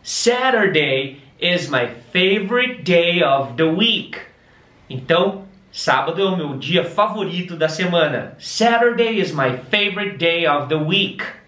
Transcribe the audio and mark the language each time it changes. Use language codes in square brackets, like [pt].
[en] Saturday is my favorite day of the week. [pt] Então, sábado é o meu dia favorito da semana. [en] Saturday is my favorite day of the week.